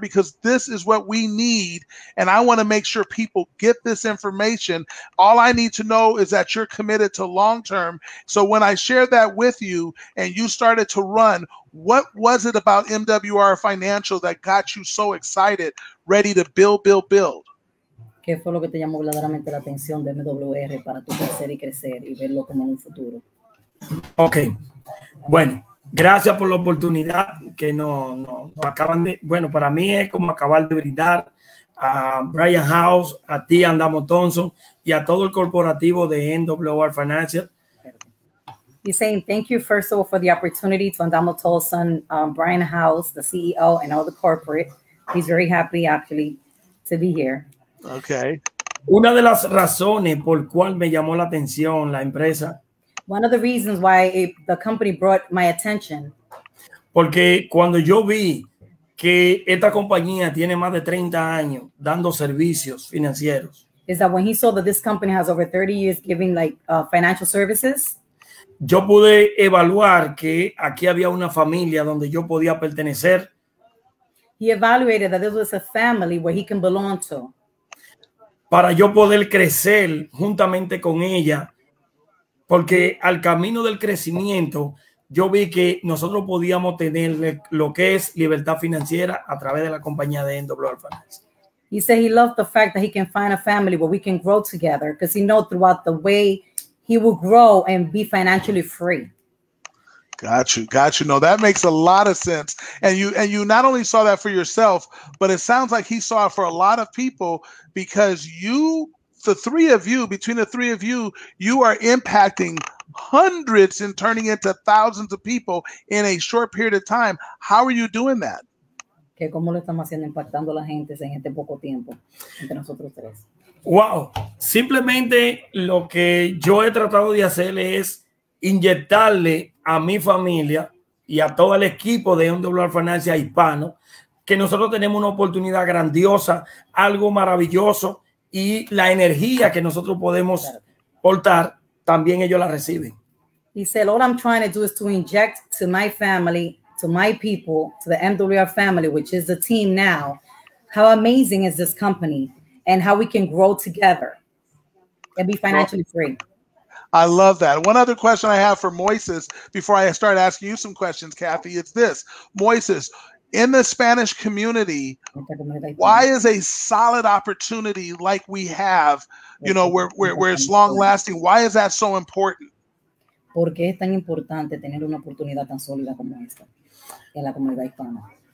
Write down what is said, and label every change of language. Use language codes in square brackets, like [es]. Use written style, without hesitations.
[en] Because this is what we need. And I want to make sure people get this information. All I need to know is that you're committed to long term. So when I shared that with you and you started to run, what was it about MWR Financial that got you so excited, ready to build, build, build? [es] ¿Qué fue lo que te llamó verdaderamente la atención de MWR para tu crecer y crecer y verlo como en un futuro? [en] Okay. [es] Bueno, gracias por la oportunidad que nos acaban de... Bueno, para mí es como acabar de brindar a Brian House, a ti, Andamo Thompson, y a todo el corporativo de MWR Financial. [en] He's saying thank you, first of all, for the opportunity to Andamo Thompson, Brian House, the CEO, and all the corporate. He's very happy, actually, to be here. Okay. [es] Una de las razones por cual me llamó la atención la empresa. [en] One of the reasons why the company brought my attention. [es] Porque cuando yo vi que esta compañía tiene más de 30 años dando servicios financieros. [en] Is that when he saw that this company has over 30 years giving like financial services? [es] Yo pude evaluar que aquí había una familia donde yo podía pertenecer. [en] He evaluated that this was a family where he can belong to. [es] Para yo poder crecer juntamente con ella, porque al camino del crecimiento, yo vi que nosotros podíamos tener lo que es libertad financiera a través de la compañía de MWR Finance. [en] He said he loved the fact that he can find a family where we can grow together, because he knows throughout the way he will grow and be financially free. Got you. No, that makes a lot of sense. And you not only saw that for yourself, but it sounds like he saw it for a lot of people, because between the three of you, you are impacting hundreds and turning into thousands of people in a short period of time. How are you doing that? [es] Que cómo lo estamos haciendo impactando la gente en este poco tiempo entre nosotros tres. [en] Wow. [es] Simplemente lo que yo he tratado de hacer es inyectarle a mi familia y a todo el equipo de MWR Financial Hispano, que nosotros tenemos una oportunidad grandiosa, algo maravilloso, y la energía que nosotros podemos portar, también ellos la reciben. [en] He said, all I'm trying to do is to inject to my family, to my people, to the MWR family, which is the team now, how amazing is this company and how we can grow together and be financially free. I love that. One other question I have for Moises before I start asking you some questions, Kathy, it's this. Moises, in the Spanish community, why is a solid opportunity like we have, you know, where it's long lasting, why is that so important? [es] ¿Por qué es tan importante tener una oportunidad tan sólida como esta en la comunidad hispana?